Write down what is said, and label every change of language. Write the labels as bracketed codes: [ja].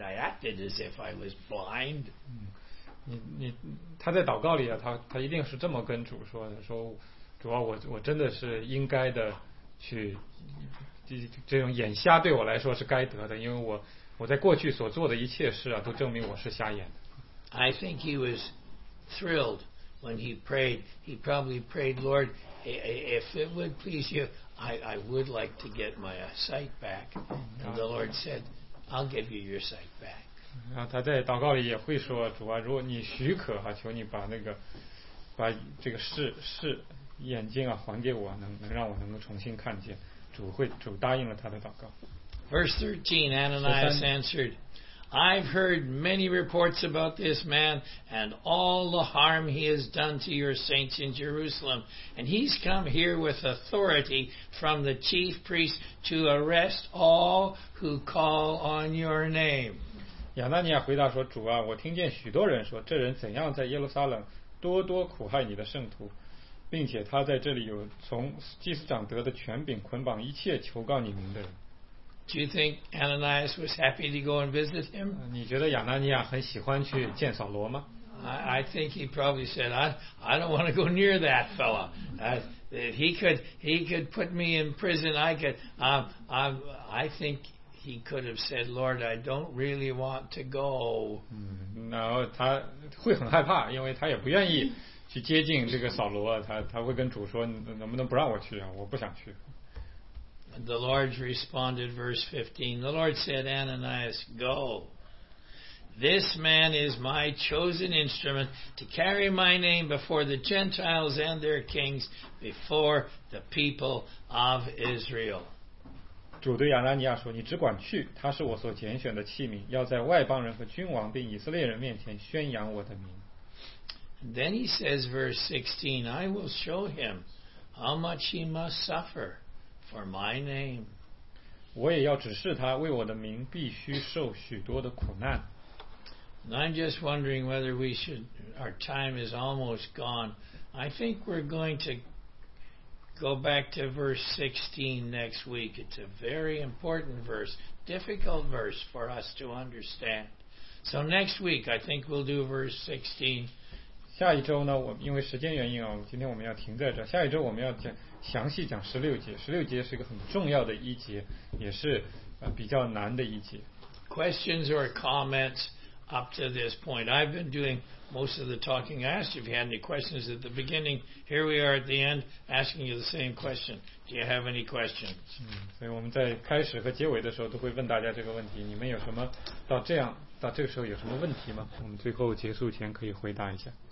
[en] I acted as if I was blind." [zh] 他在祷告里啊，他一定是这么跟主说的：“说主啊，我真的是应该的去，这种眼瞎对我来说是该得的，因为我。” 我在过去所做的一切事啊，都证明我是瞎眼的。 [en] I think he was thrilled when he prayed. He probably prayed, "Lord, if it would please you, I would like to get my sight back." And the Lord said, "I'll give you your sight back." [zh] 然后他在祷告里也会说：“主啊，如果你许可哈，求你把这个视眼睛啊还给我，能让我能够重新看见。” 主答应了他的祷告。 [en] Verse 13, Ananias answered, "I've heard many reports about this man and all the harm he has done to your saints in Jerusalem. And he's come here with authority from the chief priests to arrest all who call on your name." [zh] 亚拿尼亚回答说，主啊，我听见许多人说，这人怎样在耶路撒冷多多苦害你的圣徒，并且他在这里有从祭司长得的权柄捆绑一切求告你名的人。 [en] Do you think Ananias was happy to go and visit him? [zh] 你觉得亚拿尼亚很喜欢去见扫罗吗？ [en] I think he probably said, I don't want to go near that fellow. He could put me in prison. I think he could have said, "Lord, I don't really want to go." [zh] 然后他会很害怕，因为他也不愿意去接近这个扫罗。他会跟主说，能不能不让我去啊？我不想去。 [en] The Lord responded, verse 15. The Lord said, "Ananias, go. This man is my chosen instrument to carry my name before the Gentiles and their kings, before the people of Israel." [zh] 主对亚拉尼亚说，你只管去，他是我所拣选的器皿，要在外邦人和君王并以色列人面前宣扬我的名。 [en] Then he says verse 16, I will show him how much he must suffer for my name. [zh] 我也要指示他，为我的名必须受许多的苦难。 [en] And I'm just wondering whether we should, our time is almost gone. I think we're going to go back to verse 16 next week. It's a very important verse, difficult verse for us to understand. So next week, I think we'll do verse 16. [zh] 下一周呢，我因为时间原因啊，今天我们要停在这。下一周我们要讲详细讲十六节，十六节是一个很重要的一节，也是比较难的一节。 [en] Questions or comments? Up to this point, I've been doing most of the talking. I asked you if you had any questions at the beginning. Here we are at the end, asking you the same question. Do you have any questions? [zh] 所以我们在开始和结尾的时候都会问大家这个问题。你们有什么到这样到这个时候有什么问题吗？我们最后结束前可以回答一下。